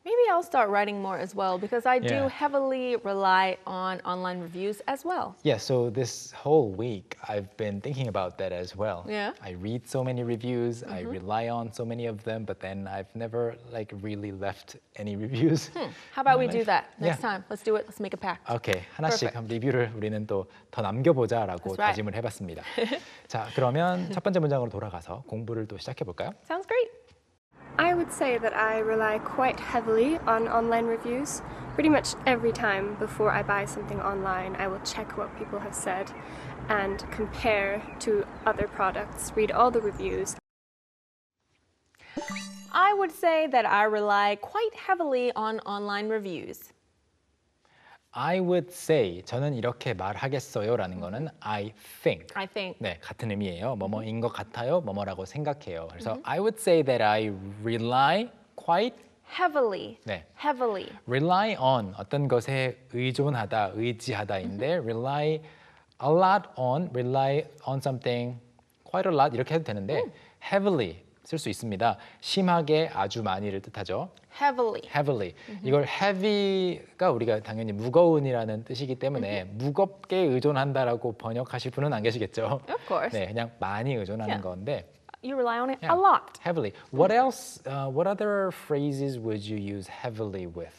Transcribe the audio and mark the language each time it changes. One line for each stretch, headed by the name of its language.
English: I'll start writing more as well because I do heavily rely on online reviews as well. Yeah, so this whole week I've been thinking about that as well. Yeah. I read so many reviews, mm-hmm. I rely on so many of them, but then I've never like really left any reviews. How about we do that next time? Let's do it. Let's make a pact. Okay.
Korean: 하나씩 한 리뷰를 우리는 또 더 남겨보자라고 다짐을 해봤습니다. 자, 그러면 첫 번째 문장으로 돌아가서 공부를 또 시작해볼까요?
English: Sounds great. I would say that I rely quite heavily on online reviews. Pretty much every time before I buy something online, I will check what people have said and compare to other products, read all the reviews. I would say that I rely quite heavily on online reviews. I would say,
Korean: 저는 이렇게 말하겠어요 라는 거는
English: I think. I think.
Korean: 네, 같은 의미예요. 뭐뭐인 것 같아요, 뭐뭐라고 생각해요. 그래서
English: I would say that I rely quite heavily.
Korean: 네.
English: Heavily.
Korean: Rely on, 어떤 것에 의존하다, 의지하다인데
English: rely a lot on, rely on something quite a lot
Korean: 이렇게 해도 되는데 heavily 쓸 수 있습니다. 심하게, 아주 많이를 뜻하죠.
English: Heavily.
Korean: Heavily. Mm-hmm. 이걸 heavy가 우리가 당연히 무거운이라는 뜻이기 때문에 mm-hmm. 무겁게 의존한다라고 번역하실 분은 안 계시겠죠.
English: Of course.
Korean: 네, 그냥 많이 의존하는 건데.
English: you rely on it yeah, a lot. Heavily. What else, what other phrases would you use heavily with?